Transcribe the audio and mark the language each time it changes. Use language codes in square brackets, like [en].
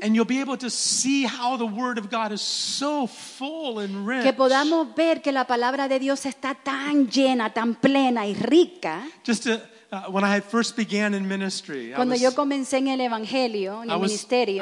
[en] And you'll be able to see how the word of God is so full and rich. [es] Que podamos ver que la palabra de Dios está tan llena, tan plena y rica. [en] Just to, when I had first began in ministry. [es] Cuando [en] I was, [es] yo comencé en el evangelio, en el ministerio.